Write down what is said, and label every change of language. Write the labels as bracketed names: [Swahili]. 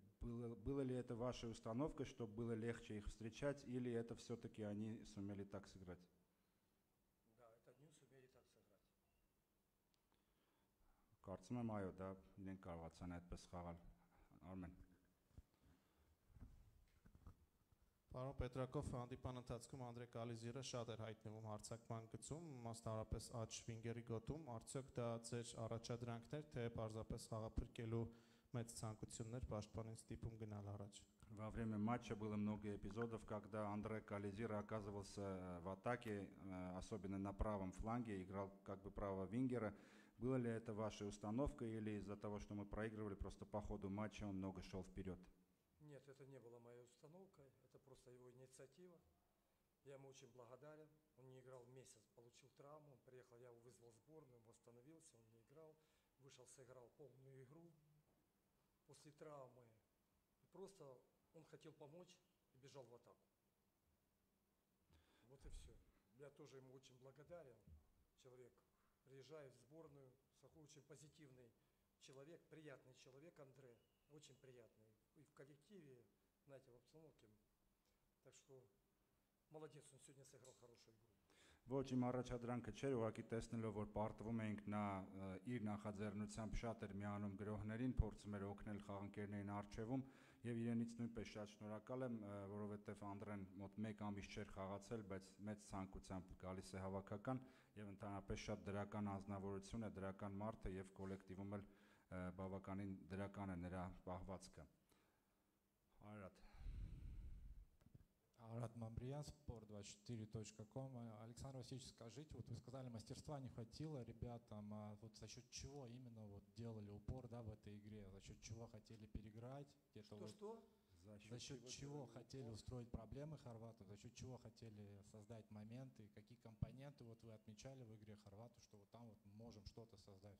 [Russian] Было ли это вашей установкой, чтобы было легче их встречать, или это все-таки они сумели так сыграть? Да, это они сумели так сыграть. Карцма майо, да, Ленин Карватса, нет, Песхавал. Армен. [Armenian] Պարոն Պետրակով, հանդիպան ընթացքում Անդրեյ Կալիզիրը շատ էր հայտնվում հարձակման գծում, մասնարապես աջ վինգերի գոտում, արդյոք դա ձեր առաջադրանքն էր, թե պարզապես խաղափրկելու մեծ ցանկությունն էր պաշտպանին ստիպում գնալ առաջ? [Russian] Во время матча было много эпизодов, когда Андре Кализир оказывался в атаке, особенно на правом фланге, играл как бы правого вингера. Было ли это вашей установкой или из-за того, что мы проигрывали, просто по ходу матча он много шел вперед? Нет, это не было моей установкой, это просто его инициатива. Я ему очень благодарен. Он не играл месяц, получил травму. Он приехал, я его вызвал в сборную, он восстановился, он не играл. Вышел, сыграл полную игру после травмы. И просто он хотел помочь и бежал в атаку. Вот и все. Я тоже ему очень благодарен. Человек приезжает в сборную, такой очень позитивный человек, приятный человек Андре. Очень приятный. И в коллективе, знаете, в обстановке. Так что молодец, он сегодня сыграл хорошую игру. [Armenian] Ոչ իմ առաջադրանքը չէր, ուղղակի տեսնելով, որ պարտվում էինք նա իր նախաձեռնությամբ շատ էր միանում գրողներին, փորձում էր օգնել խաղընկերներին առջևում, և իրենից նույնպես շատ շնորհակալ եմ, որովհետև Անդրեն մոտ մեկ ամիս չէր խաղացել, բայց մեծ ցանկությամբ գալիս է հավաքական, և ընդհանրապես շատ դրական անձնավորություն է, դրական մարդ է, և կոլեկտիվում էլ բավականին դրական է նրա պահվածքը։ Արդ [Russian] Арат Мамбриян, sport24.com. Александр Васильевич, скажите, вот вы сказали, мастерства не хватило ребятам, а вот за счет чего именно вот делали упор, да, в этой игре? За счет чего хотели переиграть? Что-что? Вот, за счет чего хотели устроить проблемы хорвату, за счет чего хотели создать моменты, какие компоненты вот вы отмечали в игре хорвату, что вот там вот мы можем что-то создать?